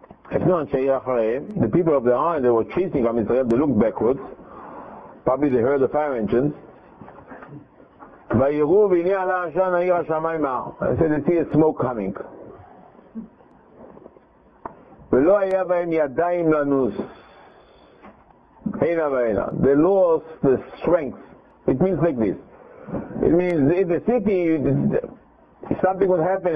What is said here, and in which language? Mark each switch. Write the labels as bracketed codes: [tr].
[en] The people of the army, they were chasing Am Yisrael, they looked backwards. Probably they heard the fire engines. [he] ויראו והנה עלה עשן העיר השמיים מהר. [en] I said, they see a smoke coming. [he] ולא היה בהם ידיים לנוס. הנה והנה. [en] They lost the strength. It means like this. It means in the city, something will happen.